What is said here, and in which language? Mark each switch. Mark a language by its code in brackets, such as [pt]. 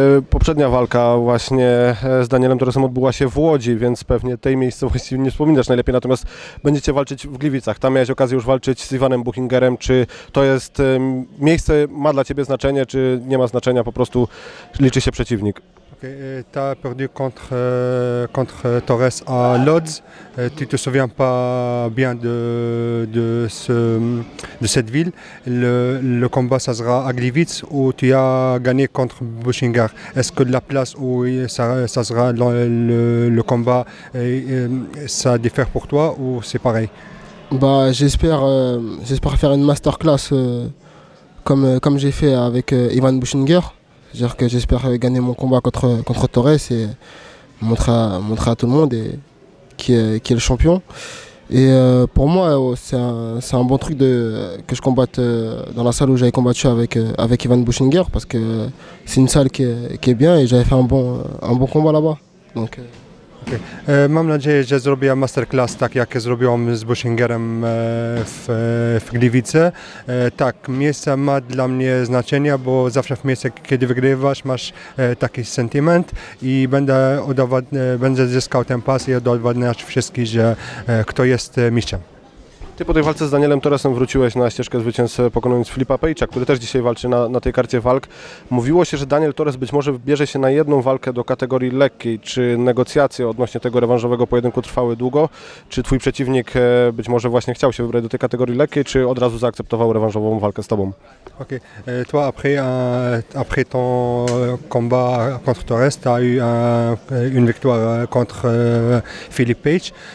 [pl] Poprzednia walka właśnie z Danielem Torresem odbyła się w Łodzi, więc pewnie tej miejscowości nie wspominasz najlepiej, natomiast będziecie walczyć w Gliwicach. Tam miałeś okazję już walczyć z Iwanem Buchingerem. Czy to jest miejsce, ma dla ciebie znaczenie, czy nie ma znaczenia, po prostu liczy się przeciwnik? [fr] Okay, tu as perdu contre Torres à Lodz. Tu te souviens pas bien de cette ville. Le combat, ça sera à Gliwice où tu as gagné contre Buchinger. Est-ce que la place où ça sera le combat, ça diffère pour toi ou c'est pareil? Bah, j'espère faire une masterclass comme j'ai fait avec Ivan Buchinger. C'est-à-dire que j'espère gagner mon combat contre Torres et montrer à tout le monde qui est le champion. Et pour moi, c'est un bon truc que je combatte dans la salle où j'avais combattu avec Ivan Buchinger, parce que c'est une salle qui est bien et j'avais fait un bon combat là-bas. Donc, [pl] Mam nadzieję, że zrobię masterclass tak jak zrobiłem z Buchingerem w Gliwice. Tak, miejsce ma dla mnie znaczenie, bo zawsze w miejscu, kiedy wygrywasz, masz taki sentyment i będę zyskał ten pas i udowadniać wszystkim, że kto jest mistrzem. Ty po tej walce z Danielem Torresem wróciłeś na ścieżkę zwycięstwa, pokonując Filipa Page'a, który też dzisiaj walczy na tej karcie walk. Mówiło się, że Daniel Torres być może bierze się na jedną walkę do kategorii lekkiej. Czy negocjacje odnośnie tego rewanżowego pojedynku trwały długo? Czy twój przeciwnik być może właśnie chciał się wybrać do tej kategorii lekkiej, czy od razu zaakceptował rewanżową walkę z tobą? [fr] Ok. Toi, après ton combat contre Torres, tu as eu une victoire contre Filip Page.